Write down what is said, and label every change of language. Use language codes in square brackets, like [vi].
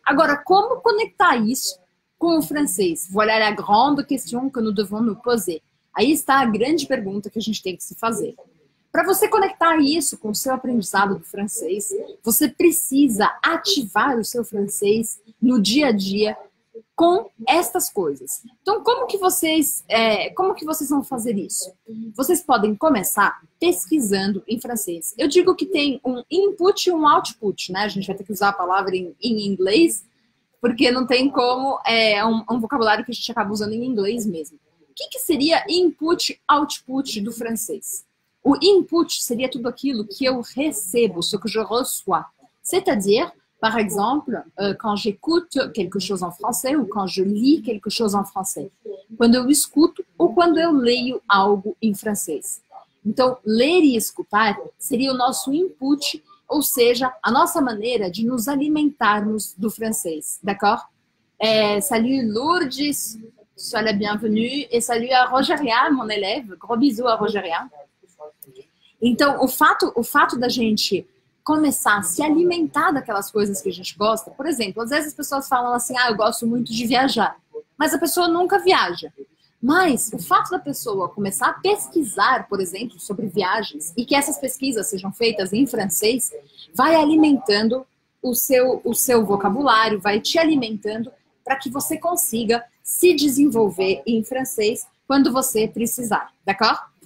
[pt] Agora, como conectar isso com o francês? [fr] Voilà la grande question que nous devons nous poser. [pt] Aí está a grande pergunta que a gente tem que se fazer. Para você conectar isso com o seu aprendizado do francês, você precisa ativar o seu francês no dia a dia, com estas coisas. Então, como que vocês vão fazer isso? Vocês podem começar pesquisando em francês. Eu digo que tem um input e um output, né? A gente vai ter que usar a palavra em inglês, porque não tem como, um vocabulário que a gente acaba usando em inglês mesmo. O que que seria input e output do francês? O input seria tudo aquilo que eu recebo, [fr] ce que je reçois. C'est-à-dire, par exemple, quand j'écoute quelque chose en français ou quand je lis quelque chose en français. [pt] Quando eu escuto ou quando eu leio algo em francês. Então, ler e escutar seria o nosso input, ou seja, a nossa maneira de nos alimentarmos do francês. D'accord? [fr] Salut Lourdes. Sois la bienvenue et salut à Rogeria, mon élève. Gros bisous à Rogeria. [pt] Então, o fato da gente começar a se alimentar daquelas coisas que a gente gosta, por exemplo, às vezes as pessoas falam assim, ah, eu gosto muito de viajar, mas a pessoa nunca viaja. Mas o fato da pessoa começar a pesquisar, por exemplo, sobre viagens, e que essas pesquisas sejam feitas em francês, vai alimentando o seu vocabulário, vai te alimentando para que você consiga se desenvolver em francês quando você precisar, d'accord?